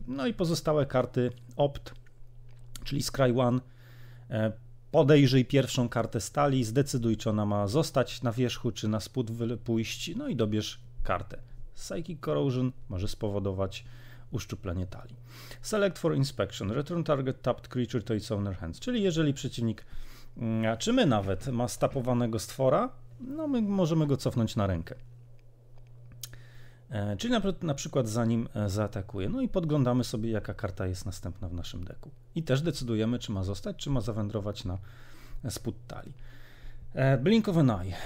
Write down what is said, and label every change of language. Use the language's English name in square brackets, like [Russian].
[Polish] No i pozostałe karty Opt, czyli Scry One. Podejrzyj pierwszą kartę z talii, zdecyduj, czy ona ma zostać na wierzchu, czy na spód pójść, no i dobierz kartę. Psychic Corrosion może spowodować uszczuplenie talii. [English] Select for Inspection. Return target tapped creature to its owner hands. [Polish] Czyli jeżeli przeciwnik, czy my nawet, ma stapowanego stwora, no my możemy go cofnąć na rękę. Czyli na przykład zanim zaatakuje. No i podglądamy sobie, jaka karta jest następna w naszym deku. I też decydujemy, czy ma zostać, czy ma zawędrować na spód talii. Blink of an Eye.